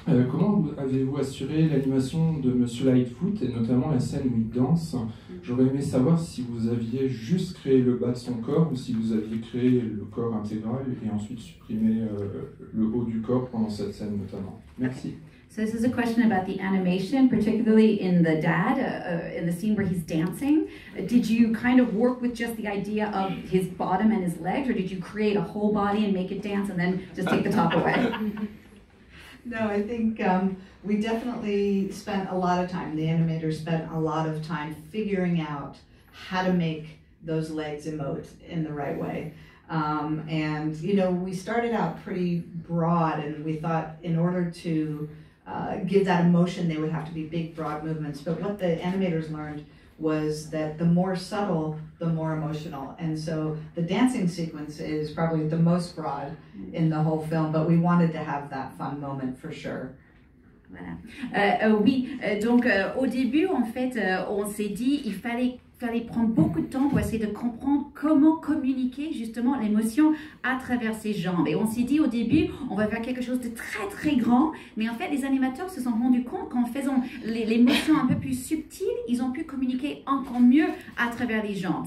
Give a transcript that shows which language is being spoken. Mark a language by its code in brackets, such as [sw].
[fr] Comment avez-vous assuré l'animation de Monsieur Lightfoot, et notamment la scène où il danse? J'aurais aimé savoir si vous aviez juste créé le bas de son corps, ou si vous aviez créé le corps intégral, et ensuite supprimé le haut du corps pendant cette scène notamment. Merci. Okay. [en] So this is a question about the animation, particularly in the dad, in the scene where he's dancing. Did you kind of work with just the idea of his bottom and his legs, or did you create a whole body and make it dance and then just take the top away? No, I think we definitely spent a lot of time, the animators spent a lot of time figuring out how to make those legs emote in the right way. And, you know, we started out pretty broad, and we thought in order to give that emotion, they would have to be big, broad movements. But what the animators learned was that the more subtle, the more emotional. And so the dancing sequence is probably the most broad in the whole film, but we wanted to have that fun moment for sure. [fr] Voilà. Oui, donc au début, en fait, on s'est dit qu'il fallait prendre beaucoup de temps pour essayer de comprendre comment communiquer justement l'émotion à travers ses jambes. Et on s'est dit au début, on va faire quelque chose de très très grand, mais en fait, les animateurs se sont rendus compte qu'en faisant l'émotion un peu plus subtile, ils ont pu communiquer encore mieux à travers les jambes.